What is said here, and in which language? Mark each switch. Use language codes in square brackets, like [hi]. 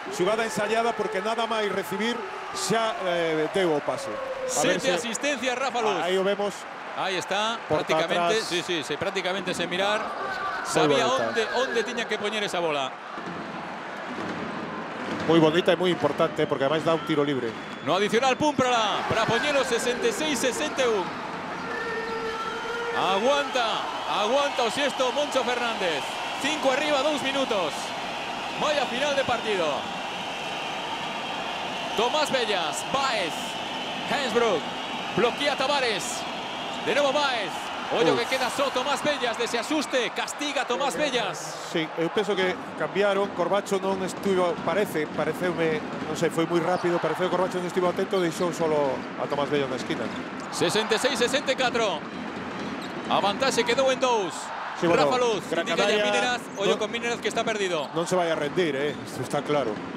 [gl] Xugada ensayada porque nada máis recibir xa deu o pase. 7 asistencias, Rafa Luz. Ahí o vemos. Ahí está. Prácticamente, sí, prácticamente sen mirar. Sabía onde tiña que poñer esa bola. [es] Muy bonita y muy importante, porque además da un tiro libre. [gl] No adicional, Pumprela, para poñelo 66-61. Aguanta o sexto Moncho Fernández. 5 arriba, 2 minutos. [es] Vaya final de partido. [gl] Tomás Bellas, Baez, Hensbrook, [es] bloquea [gl] Tavares. [es] De nuevo [gl] Baez. Ollo que queda só Tomás Bellas, de se asuste, castiga Tomás Bellas. Sí, eu penso que cambiaron, Corbacho non estuvo, pareceume, non sei, foi moi rápido, pareceu que Corbacho non estuvo atento, deixou só a Tomás Bellas na esquina. 66-64. A vantaxe quedou en 2. Sí, bueno, Rafa Luz, [es] indica ya [gl] Mineraz, ollo con Mineraz que está perdido. Non se vai a rendir, isto está claro.